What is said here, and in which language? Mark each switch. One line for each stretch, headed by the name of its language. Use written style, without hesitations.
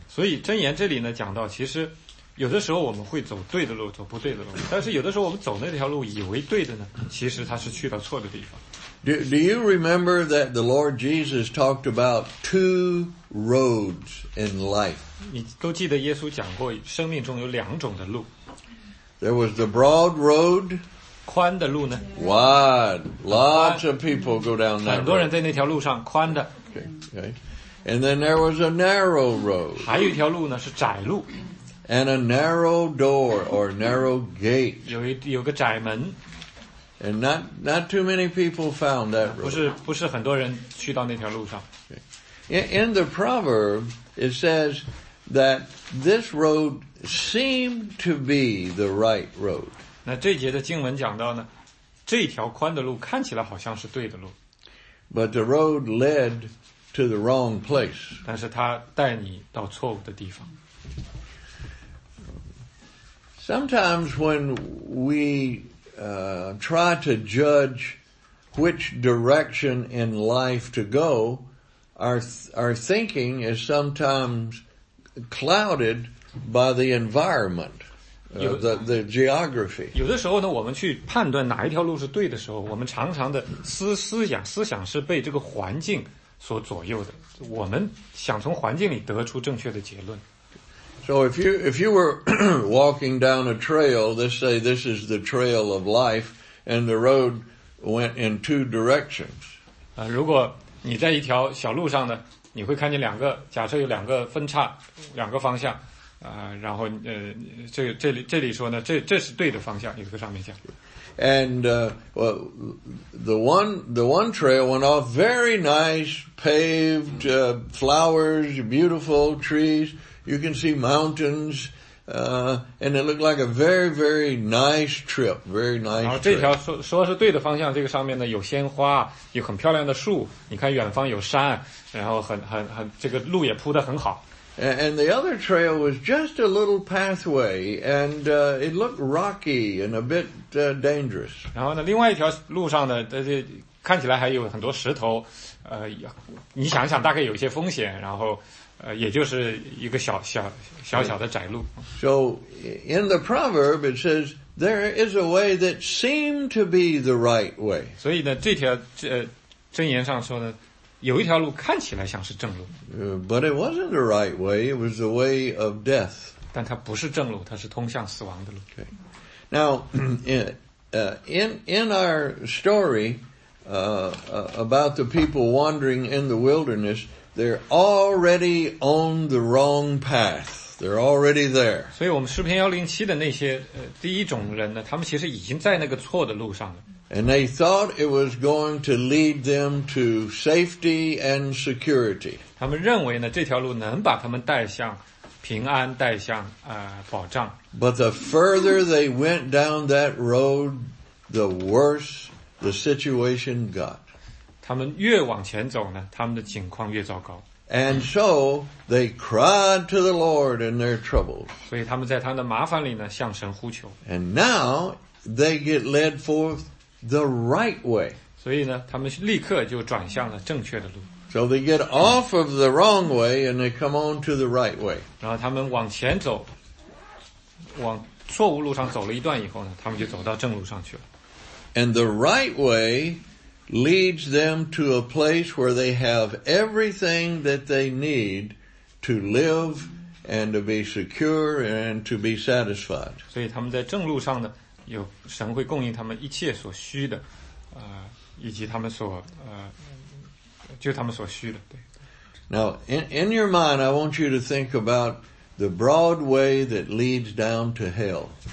Chinese: 所以箴言这里呢讲到，其实有的时候我们会走对的路，走不对的路。但是有的时候我们走那条路，以为对的呢，其实它是去到错的地方。
English: Do you remember that the Lord Jesus talked about two roads in life?
Chinese: 你都记得耶稣讲过，生命中有两种的路。
English: There was the broad road.
Chinese: 宽的路呢
English: ？Wide. Lots of people go down that.
Chinese: 很多人在那条路上，宽的。
English: Okay. And then there was a narrow road.
Chinese: 还有一条路呢，是窄路。
English: And a narrow door or narrow gate.
Chinese: 有个窄门。
English: And not too many people found that road.
Chinese: 不是很多人去到那条路上。
English: In the proverb, it says that this road seemed to be the right road.
Chinese: 那这节的经文讲到呢，这条宽的路看起来好像是对的路。
English: But the road led to the wrong place.
Chinese: 但是它带你到错误的地方。
English: Sometimes when we try to judge which direction in life to go, our thinking is sometimes clouded by the environment, the geography.
Chinese: 有的时候呢，我们去判断哪一条路是对的时候，我们常常的思想是被这个环境所左右的。我们想从环境里得出正确的结论。
English: So if you were walking down a trail, let's say this is the trail of life, and the road went in two directions.
Chinese: 如果你在一条小路上呢，你会看见两个，假设有两个分叉，两个方向，然后这里说呢，这是对的方向，有个上面讲。
English: And the one trail went off very nice, paved, flowers, beautiful trees. You can see mountains, And it looked like a very, very nice trip. Very nice trip.
Chinese: 这条 说是对的方向，这个上面呢有鲜花，有很漂亮的树，你看远方有山，然后很这个路也铺得很好。
English: And the other trail was just a little pathway, and it looked rocky and a bit dangerous.
Chinese: 然后呢，另外一条路上呢，这看起来还有很多石头，你想想大概有一些风险，然后也就是一个小小的窄路。
English: So in the proverb it says there is a way that seemed to be the right way.
Chinese: 所以呢，这条箴言上说呢，有一条路看起来像是正路。
English: But it wasn't the right way. It was the way of death.
Chinese: 但它不是正路，它是通向死亡的路。
English: Okay. Now in our story about the people wandering in the wilderness. They're already on the wrong path. They're already there.
Chinese: 所以我们诗篇107的那些第一种人呢，他们其实已经在那个错的路上了。
English: And they thought it was going to lead them to safety and security.
Chinese: 他们认为呢，这条路能把他们带向平安，带向保障。
English: But the further they went down that road, the worse the situation got.
Chinese: 他们越往前走呢，他们的境况越糟糕。
English: And so they cried to the Lord in their troubles.
Chinese: 所以他们在他们的麻烦里呢，向神呼求。
English: And now they get led forth the right way.
Chinese: 所以呢，他们立刻就转向了正确的路。
English: So they get off of the wrong way and they come on to the right way.
Chinese: 然后他们往前走，往错误路上走了一段以后呢，他们就走到正路上去了。
English: And the right way. Leads them to a place where they have everything that they need to live and to be secure and to be satisfied.
Chinese: 所以他们在正路上呢，有神会供应他们一切所需的，以及他们所就他们所需的。对。
English: Now, in your mind, I want you to think about the broad way that leads down to hell.